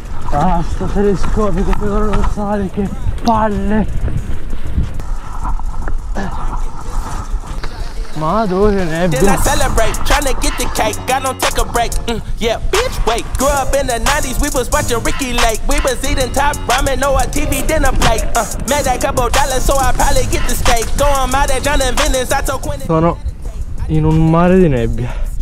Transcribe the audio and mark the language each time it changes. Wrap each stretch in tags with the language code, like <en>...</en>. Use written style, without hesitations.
<it>Basta telescopico, che ora non sale, che palle! Ma dove ne è?</it> <en>Then I celebrate, trying to get the cake, I don't take a break. Yeah, bitch, wait. Grew up in the 90s, we was watching Ricky Lake. We was eating top ramen, no a TV dinner plate. Made that couple dollars, so I probably get the steak. Going out at John and Venice, I told Quentin.</en> <it>Sono in un mare di nebbia.</it>